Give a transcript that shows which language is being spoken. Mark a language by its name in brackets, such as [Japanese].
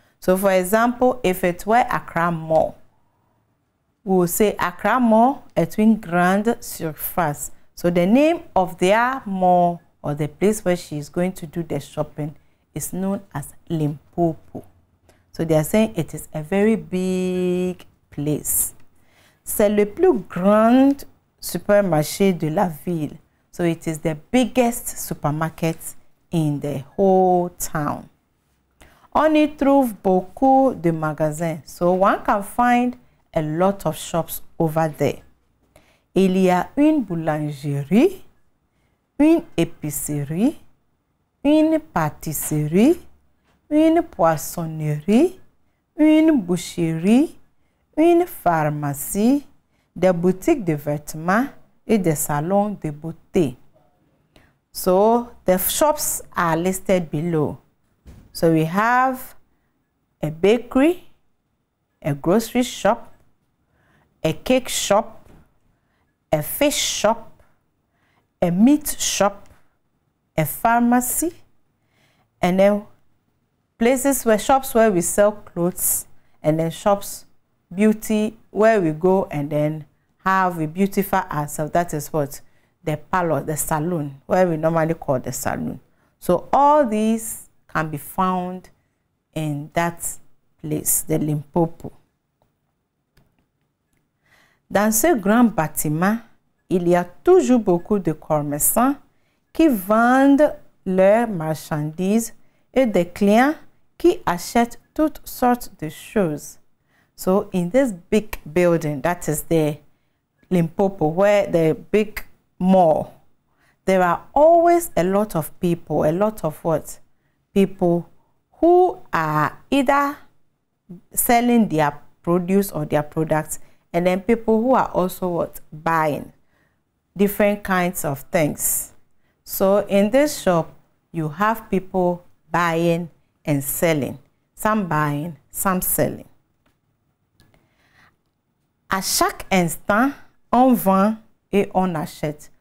[English] So for example, if it were Accra Mall, we will say Accra Mall [French] est une grande surface. [English] So the name of their mall or the place where she is going to do the shopping is known as Limpopo. So they are saying it is a very big place. [French] C'est le plus grand supermarché de la ville. [English] So it is the biggest supermarket in the whole town. [French] On y trouve beaucoup de magasins. [English] So one can find a lot of shops over there. [French] Il y a une boulangerie, une épicerie, une pâtisserie, une poissonnerie, une boucherie, une pharmacie, des boutiques de vêtements et des salons de beauté. [English] So the shops are listed below. So we have a bakery, a grocery shop, a cake shop, a fish shop, a meat shop, a pharmacy, and then places where shops where we sell clothes, and then shops, beauty, where we go and then have we beautify ourselves. That is what the parlor, the saloon, where we normally call the saloon. So all these can be found in that place, the Limpopo. [French] Dans ce grand bâtiment, il y a toujours beaucoup de commerçants qui vendent leurs marchandises et des clients qui achètent toutes sortes de choses. [English] So in this big building that is the Limpopo, where the big mall, there are always a lot of people, a lot of what? People who are either selling their produce or their products, and then people who are also what? Buying different kinds of things. So in this shop, you have people buying and selling. Some buying, some selling. [French] À chaque instant, on vend et on achète.